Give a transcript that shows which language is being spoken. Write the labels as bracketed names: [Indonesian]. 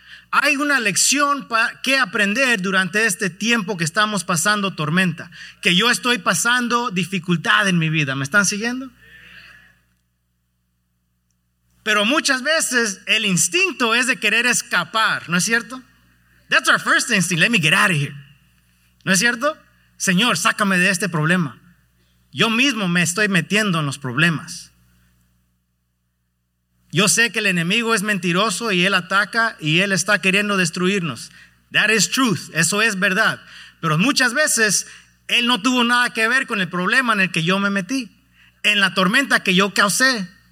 [Spanish] Hay una lección que aprender durante este tiempo que estamos pasando tormenta, que yo estoy pasando dificultad en mi vida. ¿Me están siguiendo? Pero muchas veces el instinto es de querer escapar, ¿no es cierto? [English] That's our first instinct, let me get out of here. [Spanish] ¿No es cierto? Señor, sácame de este problema. Yo mismo me estoy metiendo en los problemas. Yo sé que el enemigo es mentiroso y él ataca y él está queriendo destruirnos. [English] That is truth, [Spanish] eso es verdad. Pero muchas veces él no tuvo nada que ver con el problema en el que yo me metí, en la tormenta que yo causé.